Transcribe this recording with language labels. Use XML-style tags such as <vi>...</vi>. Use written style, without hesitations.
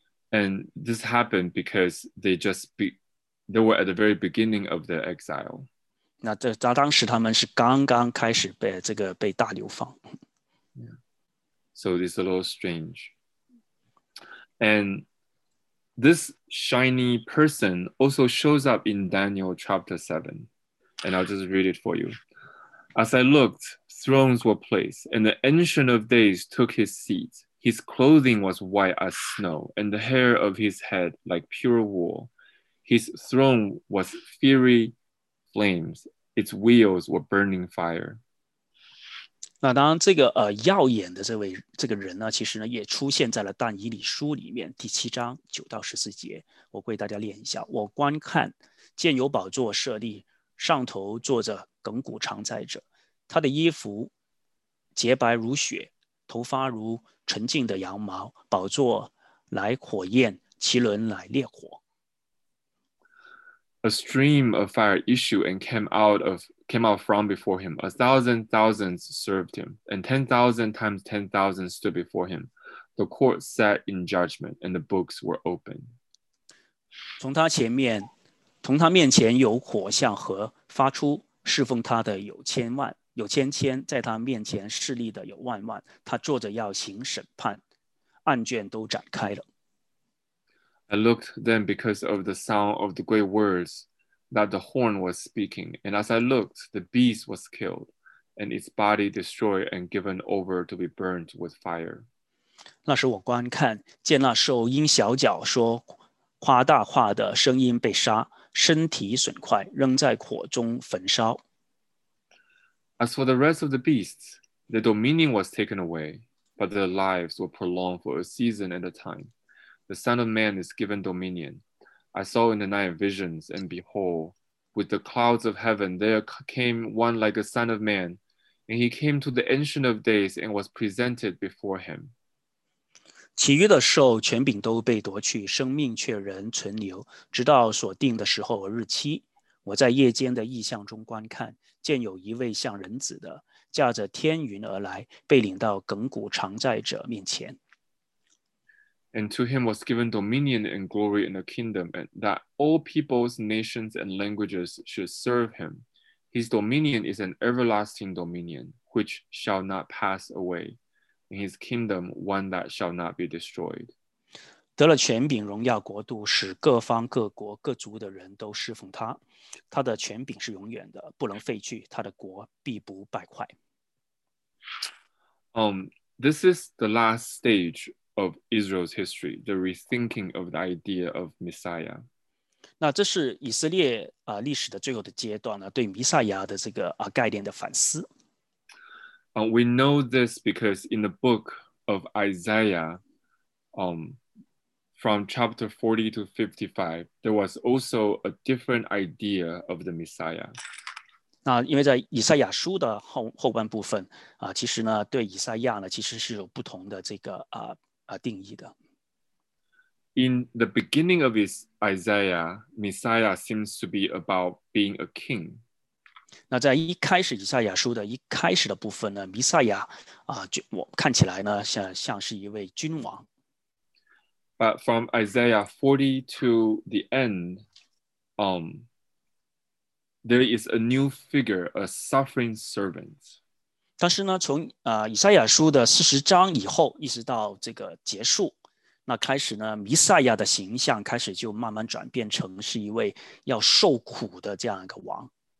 <en>And this happened because they just They were at the very beginning of their exile.</en> <zh>那这当时他们是刚刚开始被这个被大流放。</zh> <en>Yeah. So it's a little strange. And this shiny person also shows up in Daniel chapter 7. And I'll just read it for you. As I looked, thrones were placed, and the Ancient of Days took his seat. His clothing was white as snow, and the hair of his head like pure wool. His throne was fiery flames. Its wheels were burning fire.</en> <zh>那当然这个耀眼的这个人呢，其实呢也出现在了但以理书里面第七章九到十四节。我为大家念一下。我观看，见有宝座设立，上头坐着亘古常在者。他的衣服洁白如雪，头发如纯净的羊毛。宝座来火焰，其轮来烈火。</zh> <en>A stream of fire issued and came out from before him. 1,000 thousands served him, and 10,000 times 10,000 stood before him. The court sat in judgment, and the books were open.</en> <zh>从他面前有火像和发出侍奉他的有千万，有千千，在他面前势力的有万万。他坐着要行审判，案卷都展开了。</zh> <en>I looked then because of the sound of the great words that the horn was speaking. And as I looked, the beast was killed, and its body destroyed and given over to be burnt with fire.</en> <zh>那时我观看，见那兽因小脚说夸大话的声音被杀，身体损坏，扔在火中焚烧。</zh> <en>As for the rest of the beasts, their dominion was taken away, but their lives were prolonged for a season and a time. The Son of Man is given dominion. I saw in the night visions, and behold, with the clouds of heaven, there came one like a Son of Man, and he came to the Ancient of Days and was presented before him.</en> <zh>其余的兽权柄都被夺去，生命却仍存留，直到所定的时候和日期。我在夜间的异象中观看，见有一位像人子的，驾着天云而来，被领到亘古常在者面前。</zh> <en>And to him was given dominion and glory in the kingdom, and that all peoples, nations, and languages should serve him. His dominion is an everlasting dominion, which shall not pass away, and his kingdom one that shall not be destroyed.</en> <zh>得了权柄、荣耀、国度，使各方、各国、各族的人都侍奉他。他的权柄是永远的，不能废去。他的国必不败坏。</zh> <en>This is the last stage. Of Israel's history, the rethinking of the idea of Messiah.</en> <zh>那这是以色列历史的最后的阶段呢，对弥赛亚的这个概念的反思。</zh> <en>We know this because in the book of Isaiah, from chapter 40 to 55, there was also a different idea of the Messiah.</en> <zh>那因为在以赛亚书的后半部分其实呢，对以赛亚呢，其实是有不同的这个定义的。</zh> <en>In the beginning of his Isaiah, Messiah seems to be about being a king.</en> <zh>那在一开始以赛亚书的一开始的部分呢，弥赛亚我看起来呢像是一位君王。</zh> <en>But from Isaiah 40 to the end, there is a new figure, a suffering servant.</en> <zh>但是呢，从以赛亚书的四十章以后，一直到这个结束，那开始呢，弥赛亚的形象开始就慢慢转变成是一位要受苦的这样一个王。</zh>